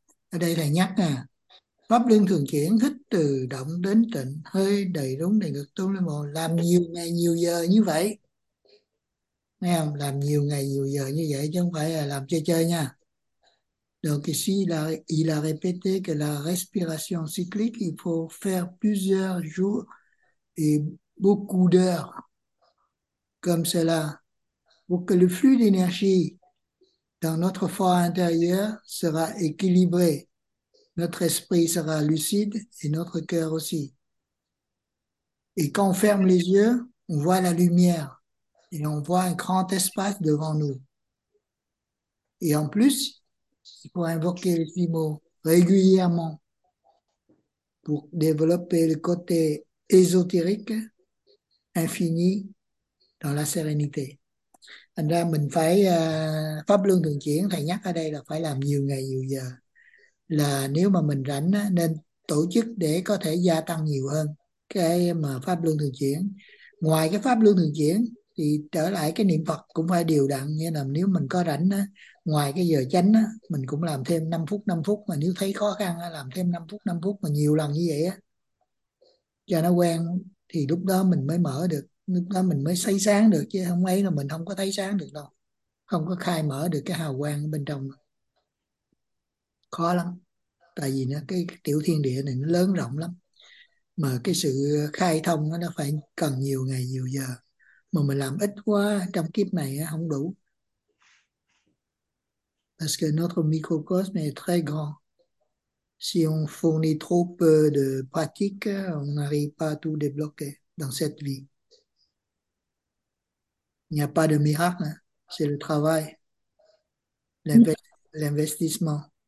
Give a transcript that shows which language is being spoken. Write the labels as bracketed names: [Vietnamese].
[Vietnamese] Ở đây thầy nhắc nè. Pháp Luân Thường Chuyển thích từ động đến tịnh, hơi đầy rúng đầy ngực tôn lên mồ, làm nhiều ngày nhiều giờ như vậy. Nghe không? Làm nhiều ngày nhiều giờ như vậy chứ không phải là làm chơi chơi nha. [French] Donc ici, il a répété que la respiration cyclique, il faut faire plusieurs jours et beaucoup d'heures comme cela pour que le flux d'énergie dans notre foi intérieure sera équilibré. Notre esprit sera lucide et notre cœur aussi. Et quand on ferme les yeux, on voit la lumière et on voit un grand espace devant nous. Et en plus, il faut invoquer les six mots régulièrement. pour développer le côté ésotérique, infini, dans la sérénité. [Vietnamese] Thành ra mình phải pháp luân thường chuyển, thầy nhắc ở đây là phải làm nhiều ngày nhiều giờ, là nếu mà mình rảnh nên tổ chức để có thể gia tăng nhiều hơn cái mà pháp luân thường chuyển. Ngoài cái pháp luân thường chuyển thì trở lại cái niệm Phật cũng phải đều đặn, nghĩa là nếu mình có rảnh ngoài cái giờ chánh mình cũng làm thêm 5 phút 5 phút, mà nếu thấy khó khăn làm thêm 5 phút 5 phút mà nhiều lần như vậy cho nó quen, thì lúc đó mình mới mở được, lúc đó mình mới thấy sáng được, chứ không ấy là mình không có thấy sáng được đâu, không có khai mở được cái hào quang bên trong, khó lắm. Tại vì nó cái tiểu thiên địa này nó lớn rộng lắm, mà cái sự khai thông nó phải cần nhiều ngày nhiều giờ, mà mình làm ít quá trong kiếp này không đủ. [French] Parce que notre microcosme est très grand. Si on fournit trop peu de pratique, on n'arrive pas à tout débloquer dans cette vie. Il n'y a pas de miracle, hein? C'est le travail, l'investissement.